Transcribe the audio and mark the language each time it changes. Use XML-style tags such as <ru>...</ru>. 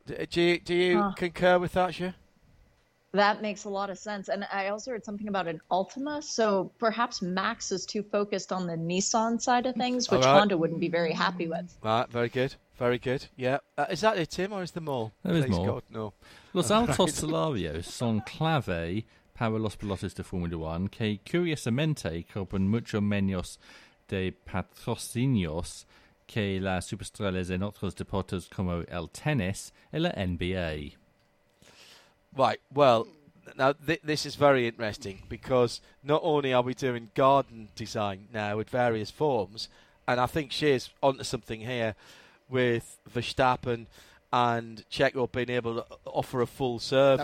<en>Do you concur with that, Shea? That makes a lot of sense. And I also heard something about an Altima. So perhaps Max is too focused on the Nissan side of things, which Honda wouldn't be very happy with. Right, very good. Very good, yeah. Is that it, Tim, or is there more? There is more. God, no.</en> <es>Los Altos Salarios son clave para los pilotos de Formula One, que curiosamente cobran mucho menos de patrocinios que las superestrellas en otros deportes como el tenis y la NBA.</es> <en>Right, well, now this is very interesting because not only are we doing garden design now with various forms, and I think she's onto something here with Verstappen and Checo being able to offer a full service.</en>